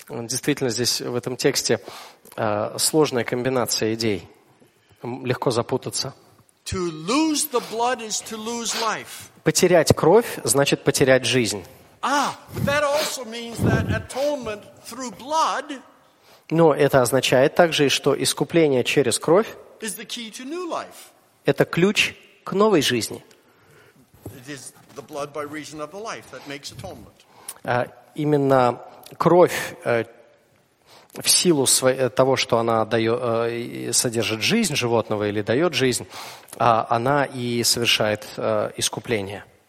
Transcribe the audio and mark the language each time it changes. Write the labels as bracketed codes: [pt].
[ru] Действительно, здесь в этом тексте сложная комбинация идей. Легко запутаться. [en] To lose the blood is to lose life. [ru] Потерять кровь – значит потерять жизнь. [en] That also means that atonement through blood, [ru] но это означает также, что искупление через кровь [en] – is the key to new life. [ru] Это ключ к новой жизни. [en] It is the blood by reason of the life that makes atonement. [ru] Именно кровь в силу того, что она дает, содержит жизнь животного или дает жизнь, она и совершает искупление.